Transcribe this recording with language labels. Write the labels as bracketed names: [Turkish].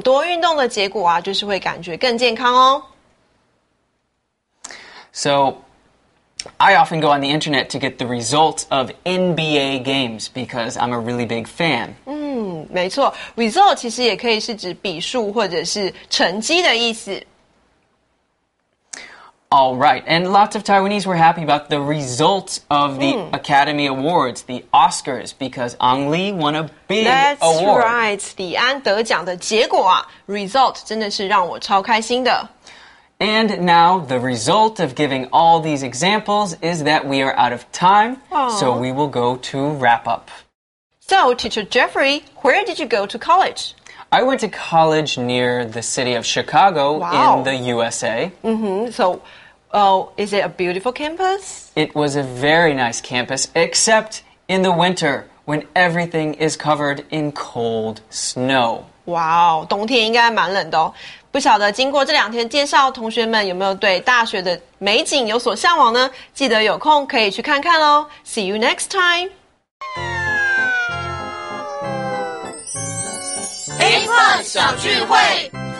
[Chinese] 多运动的结果啊，就是会感觉更健康哦。 [English] So... I often go on the internet to get the results of NBA games because I'm a really big fan. [Chinese] 没错 ,result 其实也可以是指比数或者是成绩的意思。 [English] All right, and lots of Taiwanese were happy about the results of the Academy Awards, the Oscars, because Ang Lee won a big That's award. That's right, [Chinese] 李安得奖的结果啊 ,result 真的是让我超开心的。 [English] And now, the result of giving all these examples is that we are out of time, so we will go to wrap up. So, Teacher Jeffrey, where did you go to college? I went to college near the city of Chicago in the USA. So, is it a beautiful campus? It was a very nice campus, except in the winter when everything is covered in cold snow. [Chinese] Wow, 冬天应该蛮冷的哦。不晓得经过这两天介绍，同学们有没有对大学的美景有所向往呢？记得有空可以去看看咯。 [English] See you next time! [Chinese] A-Fun 小聚会